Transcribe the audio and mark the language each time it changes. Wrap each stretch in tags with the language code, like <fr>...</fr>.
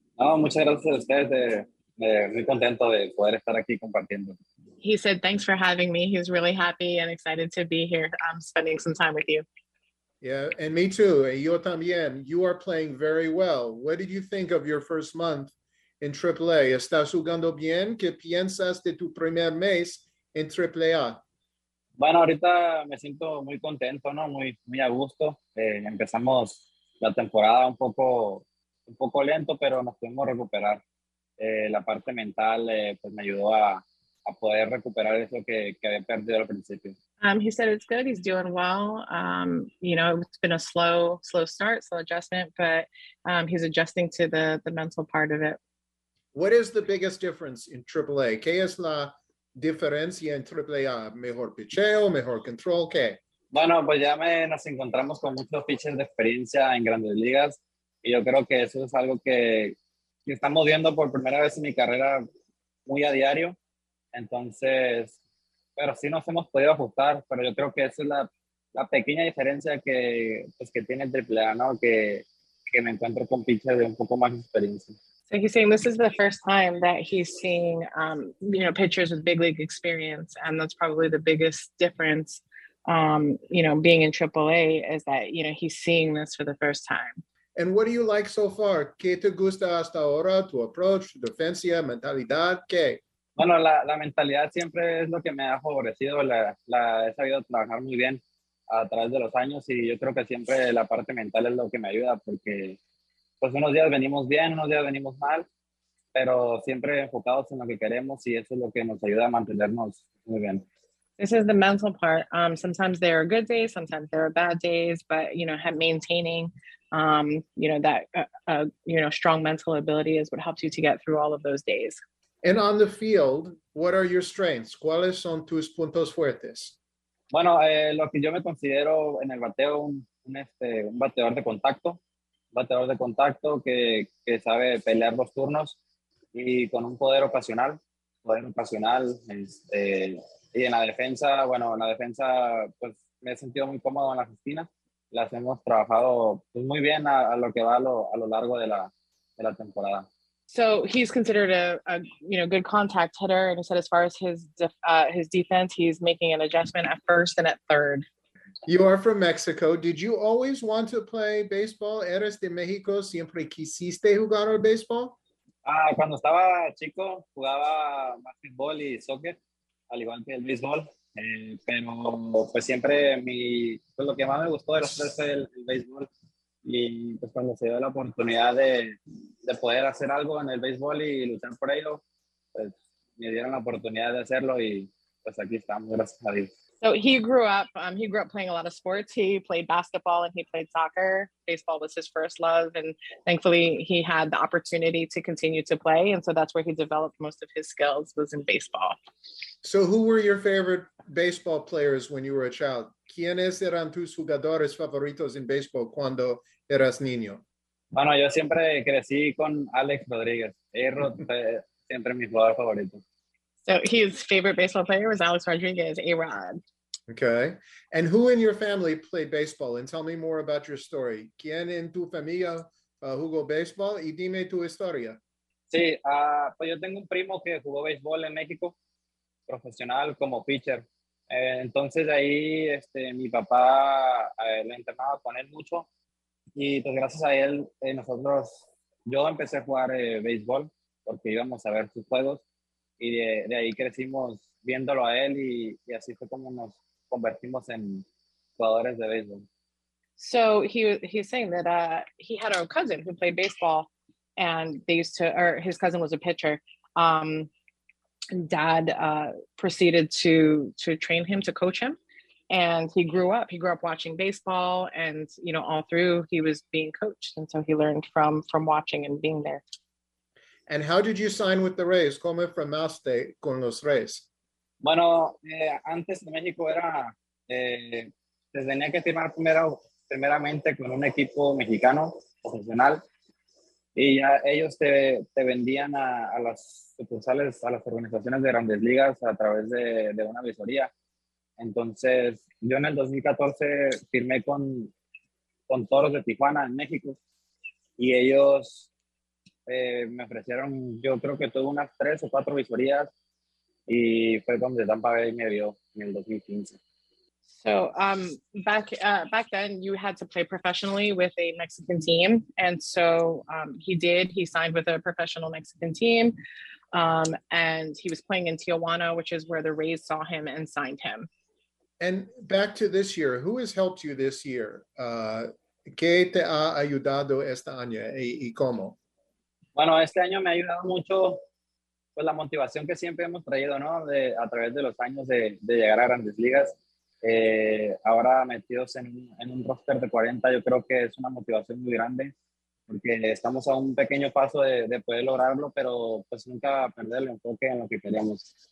<es>Oh, muchas gracias a ustedes. Muy contento de poder estar aquí compartiendo.</es> <en>He said, thanks for having me. He's really happy and excited to be here spending some time with you. Yeah, and me too.</en> <es>Yo también.</es> <en>You are playing very well. What did you think of your first month in AAA?</en> <es>¿Estás jugando bien? ¿Qué piensas de tu primer mes en AAA? Bueno, ahorita me siento muy contento, ¿no? Muy a gusto. Empezamos la temporada un poco lento, pero nos pudimos recuperar. La parte mental pues me ayudó a poder recuperar eso que había perdido al principio.</es> <en>He said it's good. He's doing well. You know, it's been a slow start, slow adjustment, but he's adjusting to the mental part of it. What is the biggest difference in AAA?</en> <es>¿Qué es la diferencia en AAA? ¿Mejor picheo, mejor control? ¿Qué? Bueno, pues ya nos encontramos con muchos pitchers de experiencia en grandes ligas. Y yo creo que eso es algo que estamos viendo por primera vez en mi carrera muy a diario. Entonces, pero sí nos hemos podido ajustar, pero yo creo que esa es la pequeña diferencia que tiene el AAA, ¿no? Que me encuentro con pitchers de un poco más experiencia.</es> <en>So he's saying this is the first time that he's seeing, you know, pitchers with big league experience. And that's probably the biggest difference, you know, being in AAA is that, you know, he's seeing this for the first time. And what do you like so far?</en> <es>¿Qué te gusta hasta ahora? ¿Tu approach, tu defensa, mentalidad? ¿Qué? Bueno, la mentalidad siempre es lo que me ha favorecido. La he sabido trabajar muy bien a través de los años. Y yo creo que siempre la parte mental es lo que me ayuda porque... Pues unos días venimos bien, unos días venimos mal, pero siempre enfocados en lo que queremos y eso es lo que nos ayuda a mantenernos muy bien.</es> <en>This is the mental part. Sometimes there are good days, sometimes there are bad days, but, you know, maintaining, you know, that, you know, strong mental ability is what helps you to get through all of those days. And on the field, what are your strengths?</en> <es>¿Cuáles son tus puntos fuertes? Bueno, lo que yo me considero en el bateo, un bateador de contacto. Bateador de contacto que sabe pelear los turnos y con un poder ocasional y en la defensa, bueno, en la defensa pues me he sentido muy cómodo en las esquinas, las hemos trabajado pues, muy bien a lo que va a lo largo de la temporada.</es> <en>So he's considered a you know good contact hitter, and he said as far as his defense, he's making an adjustment at first and at third. You are from Mexico. Did you always want to play baseball?</en> <es>¿Eres de México? ¿Siempre quisiste jugar al baseball? Cuando estaba chico, jugaba basketball y soccer, al igual que el béisbol. Pero pues siempre lo que más me gustó de los tres fue el béisbol. Y pues cuando se dio la oportunidad de poder hacer algo en el béisbol y luchar por ello, pues me dieron la oportunidad de hacerlo y pues aquí estamos, gracias a Dios.</es> <en>So he grew up playing a lot of sports. He played basketball and he played soccer. Baseball was his first love. And thankfully he had the opportunity to continue to play. And so that's where he developed most of his skills was in baseball. So who were your favorite baseball players when you were a child?</en> <es>¿Quiénes eran tus jugadores favoritos en baseball cuando eras niño? Bueno, yo siempre crecí con Alex Rodriguez. Siempre mi jugador favorito.</es> <en>So his favorite baseball player was Alex Rodriguez, A-Rod. Okay. And who in your family played baseball? And tell me more about your story.</en> <es>¿Quién en tu familia jugó baseball? Y dime tu historia. Sí, pues yo tengo un primo que jugó baseball en México, profesional como pitcher. Entonces ahí mi papá le entrenaba con él mucho. Y pues gracias a él, yo empecé a jugar baseball porque íbamos a ver sus juegos. Y de ahí crecimos viéndolo a él y así fue como nos convertimos en jugadores de béisbol.</es> <en>So he's saying that he had a cousin who played baseball and they used to, or his cousin was a pitcher. Dad proceeded to train him, to coach him. And he grew up watching baseball and, you know, all through he was being coached. And so he learned from watching and being there. And how did you sign with the Rays?</en> <es>¿Cómo firmaste con los Rays? Bueno, antes de México era, se tenía que firmar primeramente con un equipo mexicano profesional. Y ya ellos te vendían a las sucursales, a las organizaciones de grandes ligas a través de una visoría. Entonces, yo en el 2014 firmé con Toros de Tijuana en México. Y ellos... me ofrecieron, yo creo que tuve unas 3 o 4 visorías y fue donde Tampa Bay me vio en el 2015.</es> <en>So back then you had to play professionally with a Mexican team, and so he signed with a professional Mexican team, and he was playing in Tijuana, which is where the Rays saw him and signed him. And back to this year, who has helped you this year?</en> <es>¿Qué te ha ayudado este año y cómo? Bueno, este año me ha ayudado mucho pues la motivación que siempre hemos traído, ¿no? A través de los años de llegar a grandes ligas. Ahora metidos en un roster de 40, yo creo que es una motivación muy grande porque estamos a un pequeño paso de poder lograrlo, pero pues nunca perder el enfoque en lo que queremos.</es>